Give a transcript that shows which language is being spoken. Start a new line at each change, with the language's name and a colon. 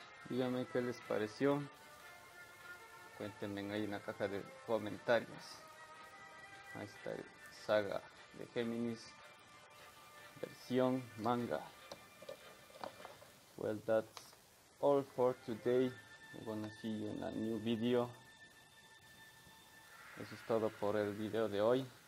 Spanish: Díganme qué les pareció. Cuéntenme ahí en la caja de comentarios. Ahí está el saga de Géminis, versión manga.
English: Well, that's all for today. We're gonna see you in a new video.
Spanish: Eso es todo por el video de hoy.